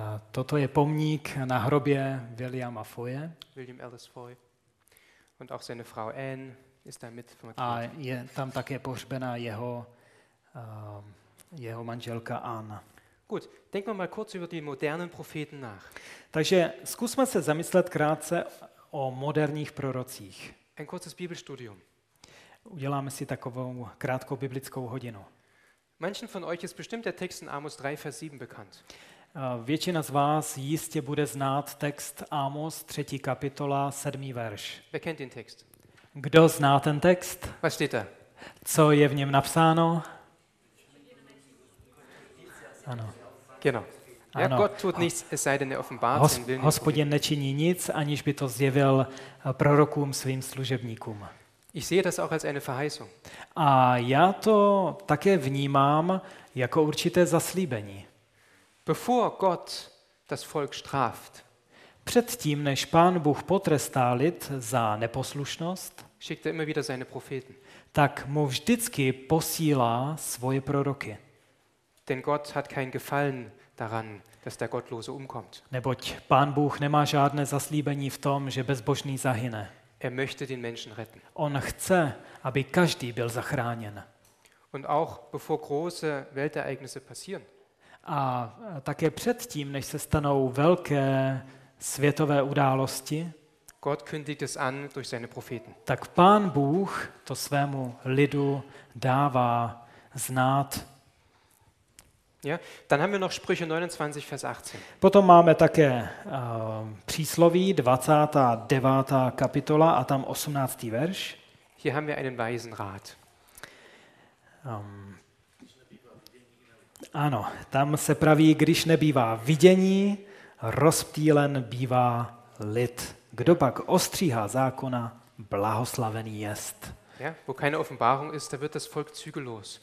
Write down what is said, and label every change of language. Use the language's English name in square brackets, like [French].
[Czech] Toto je pomník na hrobě Williama Foye. William Ellis Foy. [German] Und auch seine Frau Anne ist da mit. [Czech] A je tam také pohřbená jeho manželka Anna. [German] Gut, denk mal kurz über die modernen Propheten nach. [Czech] Takže zkusme se zamyslet krátce o moderních prorocích. [German] Ein kurzes Bibelstudium. [Czech] Uděláme si takovou krátkou biblickou hodinu. [German] Manchen von euch ist bestimmt der Text in Amos 3 Vers 7 bekannt. [Czech] Většina z vás jistě bude znát text Amos 3. kapitola 7. verš. [German] Wer kennt den Text? [Czech] Kdo zná ten text? [German] Was steht da? [Czech] Co je v něm napsáno? Ano. [German] Genau. Ja, ano. Gott tut nichts, es sei denn er offenbart sein will. [Czech] Hospodin nečiní nic, aniž by to zjevil prorokům svým služebníkům. [German] Ich sehe das auch als eine Verheißung. [Czech] A já to také vnímám jako určité zaslíbení. [German] Bevor Gott das Volk straft, [Czech] předtím, než Pán Bůh potrestá lid za neposlušnost, [German] schickt er immer wieder seine Propheten. [Czech] Tak mu vždycky posílá svoje proroky. [German] Denn Gott hat kein Gefallen daran, dass der Gottlose umkommt. [Czech] Neboť Pán Bůh nemá žádné zaslíbení v tom, že bezbožný zahyne. [German] Er möchte den Menschen retten. [Czech] On chce, aby každý byl zachráněn. [German] Und auch bevor große Weltereignisse passieren. [Czech] A také předtím, než se stanou velké světové události, [German] Gott kündigt es an durch seine Propheten. [Czech] Tak Pán Bůh to svému lidu dává znát. [German] Ja, dann haben wir noch Sprüche 29 Vers 18. [Czech] Potom máme také přísloví 29. kapitola a tam 18. verš. [German] Hier haben wir einen weisen Rat. [Czech] Ano, tam se praví, když nebývá vidění, rozptýlen bývá lid. Kdo pak ostříhá zákona, blahoslavený jest. [German] Ja, wo keine Offenbarung ist, da wird das Volk zügellos.